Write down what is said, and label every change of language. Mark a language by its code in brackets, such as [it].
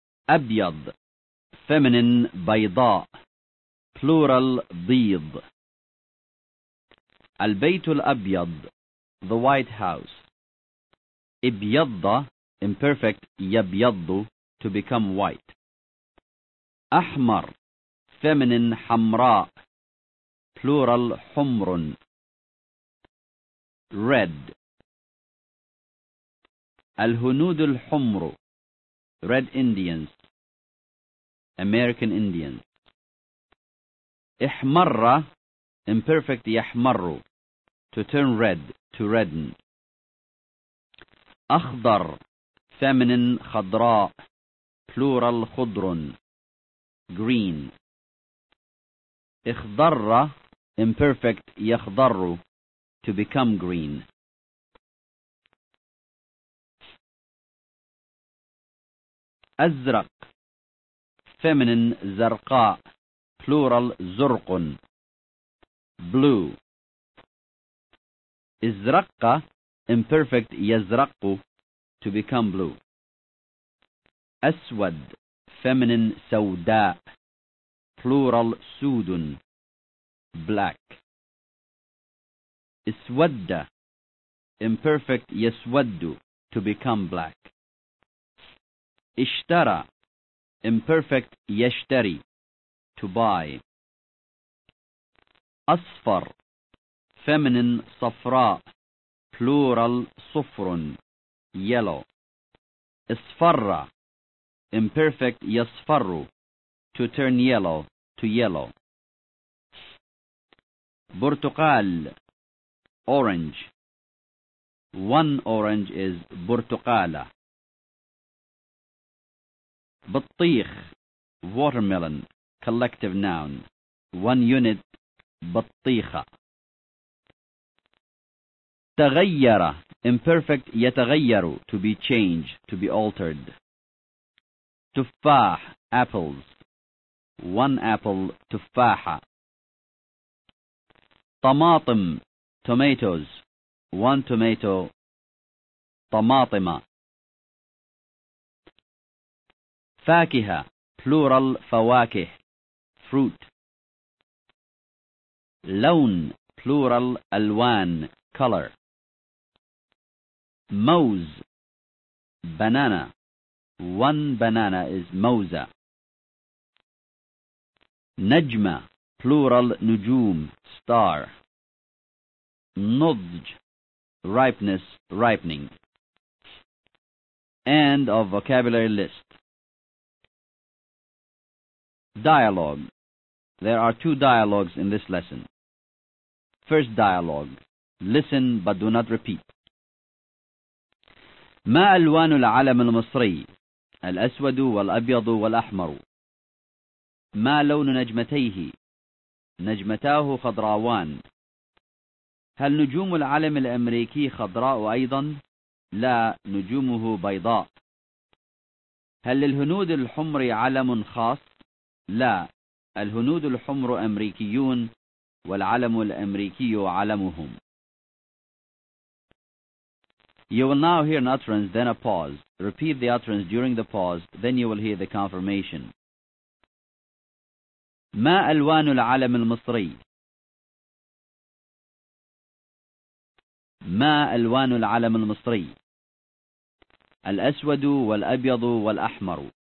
[ar] أبيض, Feminine, بيضاء, Plural, بيض. [en] البيت الأبيض, The White House. إبيض, Imperfect, يبيض, To become white. [ar] أحمر, Feminine, حمراء, Plural, حمر. [en] Red. الهنود الحمر, Red Indians, American Indians. إحمر, Imperfect, يحمر, To turn red, to redden. [ar] أخضر, Feminine, خضراء, Plural, خضر. [en] Green. إخضر, Imperfect, يخضر, to become green. [ar] أزرق, Feminine, زرقاء, Plural, زرق. [en] Blue. إزرق, Imperfect, يزرق, to become blue. [ar] أسود, Feminine, سوداء, Plural, سود. [en] Black. اسود, Imperfect, يسود, to become black. اشترى, Imperfect, يشتري, to buy. [ar] أصفر, Feminine, صفراء, Plural, صفر, yellow. [en] اصفر, Imperfect, يصفر, to turn yellow, to yellow. برتقال, orange. One orange is برتقالة. بطيخ, watermelon, collective noun. One unit, بطيخة. تغير, imperfect, يتغير, to be changed, to be altered. تفاح, apples. One apple, تفاحة. طماطم, tomatoes. One tomato, طماطمة. فاكهة, plural, فواكه, fruit. لون, plural, ألوان, color. موز, banana. One banana is موزة. نجمة, plural, نجوم, star. نضج, ripeness, ripening. End of vocabulary list. Dialogue. There are two dialogues in this lesson. First dialogue. Listen but do not repeat. [ar] ما ألوان العلم المصري؟ الأسود والأبيض والأحمر. ما لون نجمتيه؟ نجمتاه خضراوان. هل نجوم العلم الأمريكي خضراء أيضا؟ لا، نجومه بيضاء. هل للهنود الحمر علم خاص؟ لا، الهنود الحمر أمريكيون والعلم الأمريكي علمهم. [en] You will now hear an utterance, then a pause. Repeat the utterance during the pause, then you will hear the confirmation. [ar] ما ألوان العلم المصري؟ ما ألوان العلم المصري؟ الأسود والأبيض والأحمر.